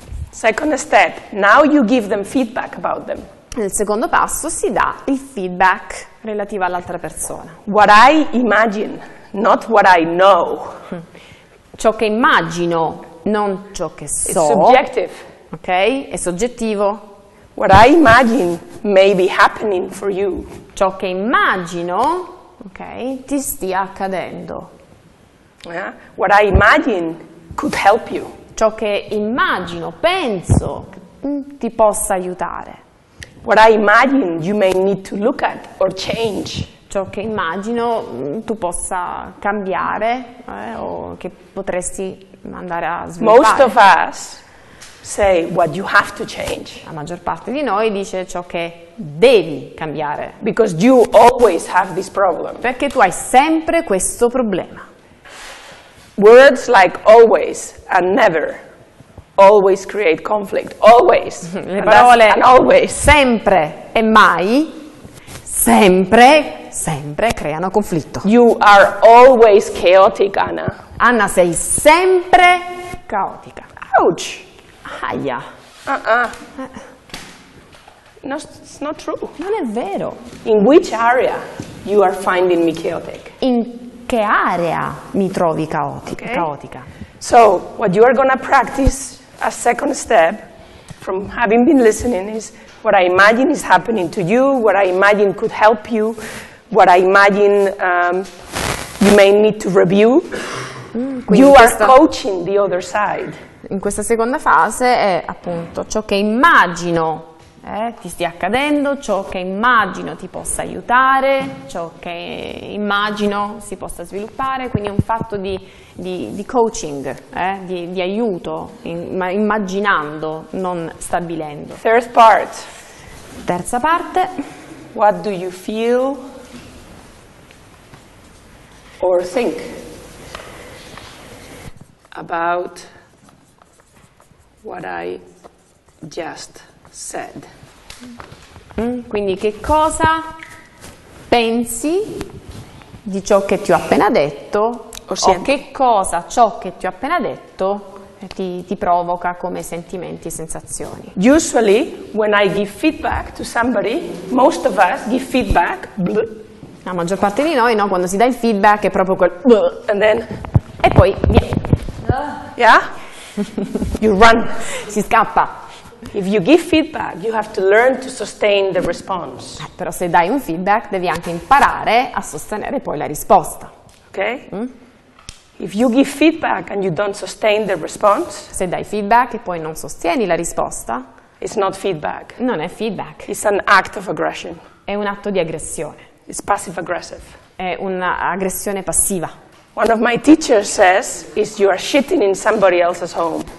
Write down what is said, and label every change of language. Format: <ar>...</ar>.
<en>Second step, now you give them feedback about them.</en> <it>Il secondo passo si dà il feedback relativo all'altra persona.</it> <en>What I imagine, not what I know.</en> <it>Ciò che immagino, non ciò che so.</it> <en>It's subjective.</en> <it>Ok, è soggettivo.</it> <en>What I imagine may be happening for you.</en> <it>Ciò che immagino, ok, ti stia accadendo.</it> <en>Yeah? What I imagine could help you.</en> <it>Ciò che immagino, penso, ti possa aiutare.</it> <en>What I imagine you may need to look at or change.</en> <it>Ciò che immagino tu possa cambiare o che potresti andare a sviluppare.</it> <en>Most of us say what you have to change.</en> <it>La maggior parte di noi dice ciò che devi cambiare.</it> <en>Because you always have this problem.</en> <it>Perché tu hai sempre questo problema.</it> <en>Words like always and never always create conflict. Always.</en> <it>Le parole</it> <en>and always.</en> <it>Sempre e mai, sempre, sempre creano conflitto.</it> <en>You are always chaotic, Anna.</en> <it>Anna, sei sempre caotica.</it> <en>Ouch!</en> <it>Aia!</it> <en>No, it's not true.</en> <it>Non è vero.</it> <en>In which area you are finding me chaotic?</en> <it>In che area mi trovi caotica? Okay. Caotica.</it> <en>So, what you are gonna practice as second step from having been listening is what I imagine is happening to you, what I imagine could help you, what I imagine you may need to review. You are coaching the other side.</en> <it>In questa seconda fase è appunto ciò che immagino ti stia accadendo, ciò che immagino ti possa aiutare, ciò che immagino si possa sviluppare, quindi è un fatto di coaching, di aiuto, immaginando, non stabilendo.</it> <en>Third part.</en> <it>Terza parte.</it> <en>What do you feel or think about what I just said?</en> <it>Quindi che cosa pensi di ciò che ti ho appena detto o che cosa ciò che ti ho appena detto ti provoca come sentimenti e sensazioni?</it> <en>Usually when I give feedback to somebody, most of us give feedback bleh.</en> <it>La maggior parte di noi, no, quando si dà il feedback è proprio quel</it> <en>bleh. And then,</en> <it>e poi via.</it> <en>Yeah? You run.</en> <it>Si scappa.</it> <en>If you give feedback, you have to learn to sustain the response.</en> <it>Però se dai un feedback, devi anche imparare a sostenere poi la risposta.</it> <en>Okay? If you give feedback and you don't sustain the response,</en> <it>se dai feedback e poi non sostieni la risposta,</it> <en>it's not feedback.</en> <it>Non è feedback.</it> <en>It's an act of aggression.</en> <it>È un atto di aggressione.</it> <en>It's passive aggressive.</en> <it>È un'aggressione passiva.</it> <en>One of my teachers says, is you are shitting in somebody else's home.</en>